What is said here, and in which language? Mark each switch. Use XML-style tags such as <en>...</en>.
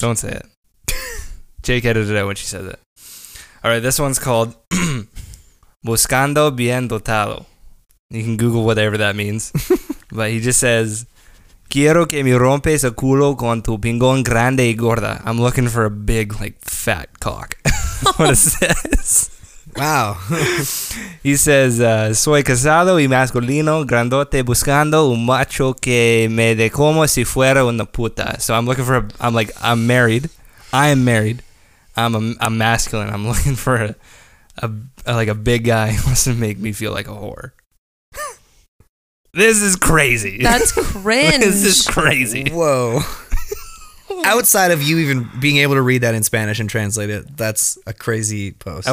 <en>Don't say it. Jake edited it when she says it. All right, this one's called</en> <es>Buscando Bien Dotado.</es> <en>You can Google whatever that means. But he just says,</en> <es>Quiero que me rompes el culo con tu pingón grande y gorda.</es> <en>I'm looking for a big, like, fat cock. That's what it says. Wow. He says,</en> <es>Soy casado y masculino, grandote, buscando un macho que me de como si fuera una puta.</es> <en>So I'm looking for a... I'm like, I'm married. I am married. I'm masculine. I'm looking for a big guy who wants to make me feel like a whore. This is crazy. That's cringe. This is crazy. Whoa. Outside of you even being able to read that in Spanish and translate it, that's a crazy post.</en>